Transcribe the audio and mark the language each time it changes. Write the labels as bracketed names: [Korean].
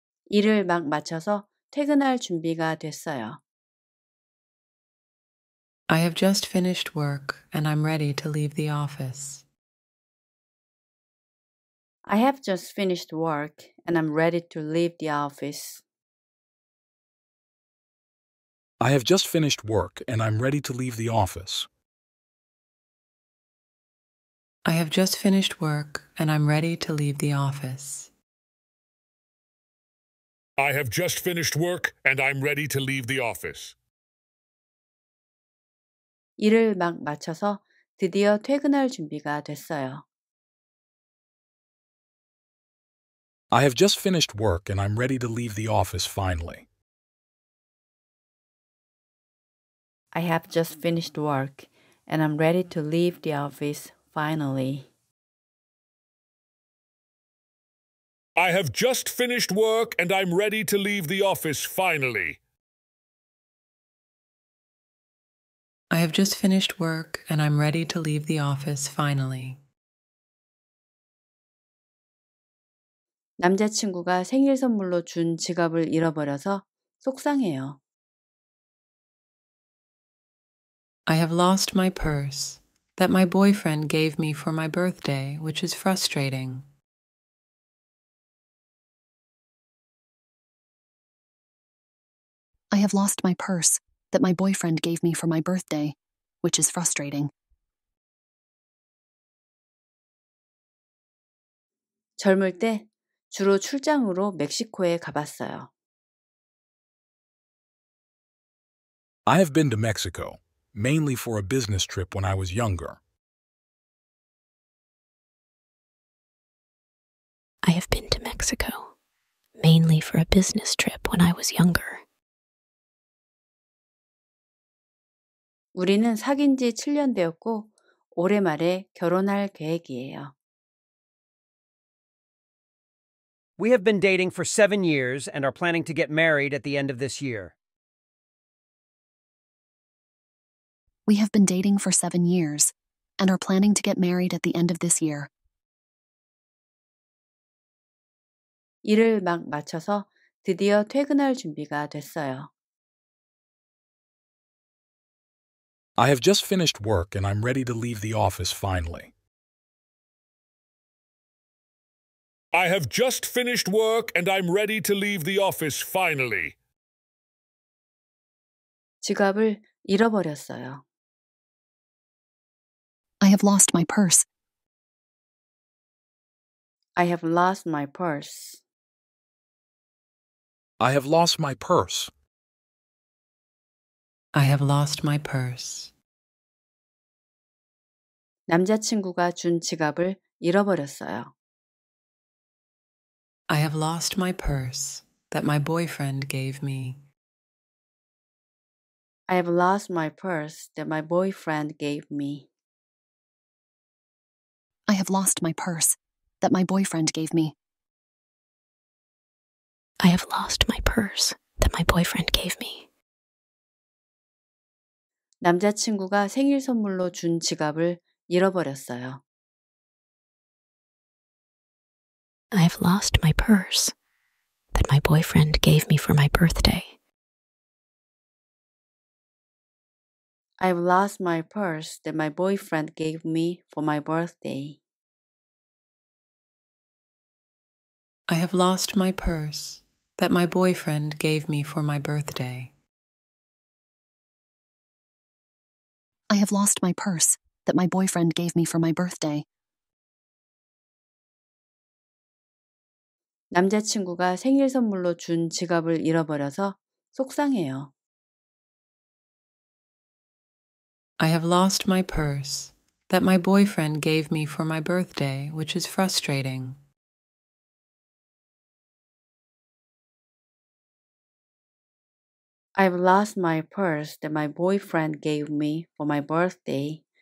[Korean] 일을 막 마쳐서 퇴근할 준비가 됐어요. [English] I have just finished work and I'm ready to leave the office. I have just finished work and I'm ready to leave the office. I have just finished work and I'm ready to leave the office. I have just finished work and I'm ready to leave the office. I have just finished work and I'm ready to leave the office. [Korean] 일을 막 마쳐서 드디어 퇴근할 준비가 됐어요. [English] I have just finished work and I'm ready to leave the office finally. I have just finished work and I'm ready to leave the office finally. I have just finished work and I'm ready to leave the office finally. I have just finished work and I'm ready to leave the office finally. [Korean] 남자친구가 생일 선물로 준 지갑을 잃어버려서 속상해요. [English] I have lost my purse that my boyfriend gave me for my birthday, which is frustrating. I have lost my purse that my boyfriend gave me for my birthday, which is frustrating. [Korean] 젊을 때 주로 출장으로 멕시코에 가봤어요. [English] I have been to Mexico, mainly for a business trip when I was younger. I have been to Mexico, mainly for a business trip when I was younger. [Korean] 우리는 사귄 지 7년 되었고 올해 말에 결혼할 계획이에요. [English] We have been dating for 7 years and are planning to get married at the end of this year. We have been dating for 7 years and are planning to get married at the end of this year. [Korean] 일을 막 마쳐서 드디어 퇴근할 준비가 됐어요. [English] I have just finished work and I'm ready to leave the office finally. I have just finished work and I'm ready to leave the office finally. [Korean] 지갑을 잃어버렸어요. [English] I have lost my purse. I have lost my purse. I have lost my purse. I have lost my purse. [Korean] 남자친구가 준 지갑을 잃어버렸어요. [English] I have lost my purse that my boyfriend gave me. I have lost my purse that my boyfriend gave me. I have lost my purse that my boyfriend gave me. I have lost my purse that my boyfriend gave me. [Korean] 남자친구가 생일 선물로 준 지갑을 잃어버렸어요. [English] I have lost my purse that my boyfriend gave me for my birthday. I have lost my purse that my boyfriend gave me for my birthday. I have lost my purse that my boyfriend gave me for my birthday. I have lost my purse that my boyfriend gave me for my birthday. [Korean] 남자친구가 생일 선물로 준 지갑을 잃어버려서 속상해요. [English] I have lost my purse that my boyfriend gave me for my birthday, which is frustrating. I have lost my purse that my boyfriend gave me for my birthday.